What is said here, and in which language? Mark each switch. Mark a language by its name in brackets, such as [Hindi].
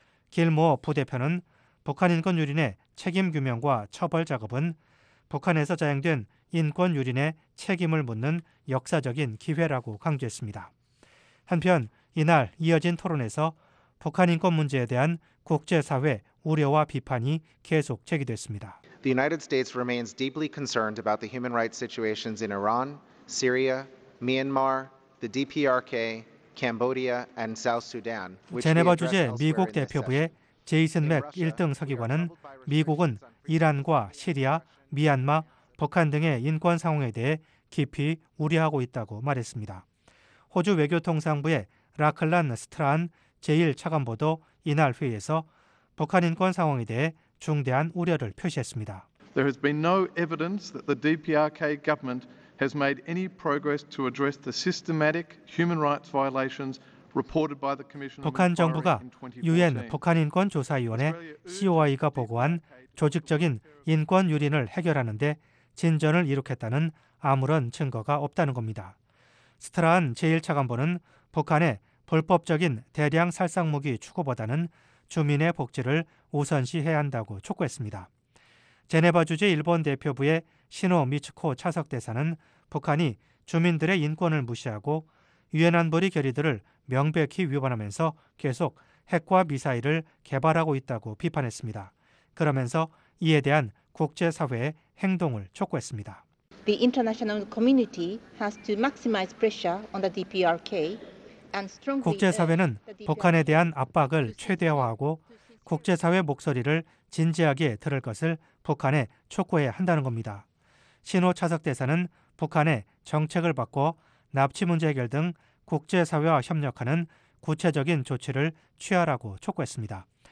[Korean] 길모 부대표는 북한 인권 유린의 책임 규명과 처벌 작업은 북한에서 자행된 인권 유린의 책임을 묻는 역사적인 기회라고 강조했습니다. 한편 이날 이어진 토론에서 북한 인권 문제에 대한 국제사회 우려와 비판이 계속 제기됐습니다. [English] The United States remains deeply concerned about the human rights situations in Iran, Syria, Myanmar, the DPRK, Cambodia, and South Sudan. [Korean] 제네바 주재 미국 대표부의 제이슨 맥 1등 서기관은 미국은 이란과 시리아, 미얀마, 북한 등의 인권 상황에 대해 깊이 우려하고 있다고 말했습니다. 호주 외교통상부의 라클란 스트라한 제1차관보도 이날 회의에서 북한 인권 상황에 대해 중대한 우려를 표시했습니다. [English] There has been no evidence that the DPRK government has made any progress to address the systematic human rights violations reported by the commission. [Korean] 북한 정부가 UN 북한 인권 조사위원회 COI가 보고한 조직적인 인권 유린을 해결하는 데 진전을 이룩했다는 아무런 증거가 없다는 겁니다. 스트라한 제1차관보는 북한의 불법적인 대량 살상 무기 추구보다는 주민의 복지를 우선시해야 한다고 촉구했습니다. 제네바 주재 일본 대표부의 시노 미츠코 차석 대사는 북한이 주민들의 인권을 무시하고 유엔 안보리 결의들을 명백히 위반하면서 계속 핵과 미사일을 개발하고 있다고 비판했습니다. 그러면서 이에 대한 국제사회의 행동을 촉구했습니다. [English] The international community has to maximize pressure on the DPRK. [Korean] 국제사회는 북한에 대한 압박을 최대화하고 국제사회 목소리를 진지하게 들을 것을 북한에 촉구해야 한다는 겁니다. 신호 차석 대사는 북한의 정책을 바꿔 납치 문제 해결 등 국제사회와 협력하는 구체적인 조치를 취하라고 촉구했습니다.